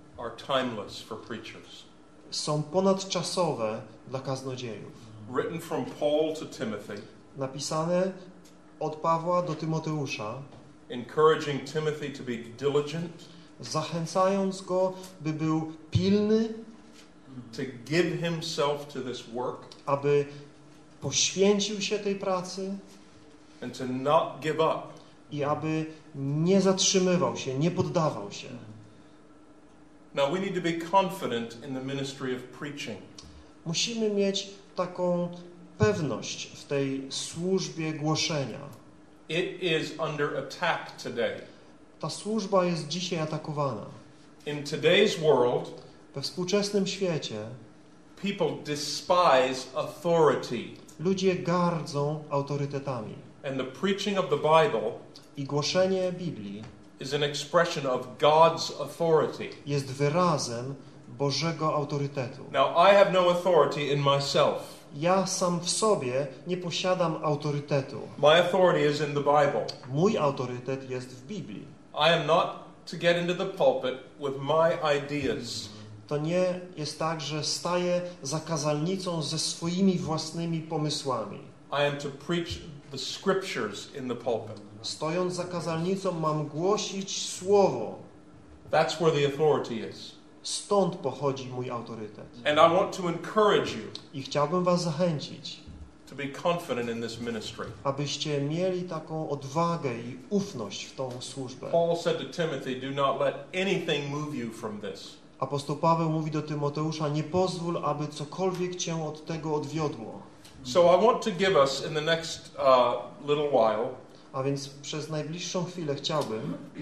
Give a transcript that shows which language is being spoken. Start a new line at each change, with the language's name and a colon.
English: are timeless for preachers.
Polish: Są ponadczasowe dla kaznodziejów.
English: Written from Paul to Timothy,
Polish: napisane od Pawła do Tymoteusza,
English: encouraging Timothy to be diligent,
Polish: zachęcając go, by był pilny,
English: to give himself to this work,
Polish: aby poświęcił się tej pracy,
English: and to not give up,
Polish: i aby nie zatrzymywał się, nie poddawał się.
English: Now we need to be confident in the ministry of preaching.
Polish: Musimy mieć taką pewność w tej służbie głoszenia.
English: It is under attack today.
Polish: Ta służba jest dzisiaj atakowana.
English: In today's world,
Polish: we współczesnym świecie,
English: people despise authority.
Polish: Ludzie gardzą autorytetami.
English: And the preaching of the Bible,
Polish: i głoszenie Biblii,
English: is an expression of God's authority.
Polish: Jest wyrazem Bożego autorytetu.
English: Now I have no authority in myself.
Polish: Ja sam w sobie nie posiadam autorytetu.
English: My authority is in the Bible.
Polish: Mój autorytet jest w Biblii.
English: I am not to get into the pulpit with my ideas.
Polish: To nie jest tak, że staję za kazalnicą ze swoimi własnymi pomysłami.
English: I am to preach the scriptures in the pulpit.
Polish: Stojąc za kazalnicą, mam głosić słowo.
English: That's where the authority is.
Polish: Stąd pochodzi mój autorytet.
English: And I want to encourage you,
Polish: i chciałbym was zachęcić,
English: to be confident in this ministry.
Polish: Abyście mieli taką odwagę i ufność w tą służbę.
English: Paul said to Timothy, do not let anything move you from this.
Polish: Apostoł Paweł mówi do Tymoteusza, nie pozwól, aby cokolwiek cię od tego odwiodło.
English: So I want to give us in the next little while,
Polish: a więc przez najbliższą chwilę chciałbym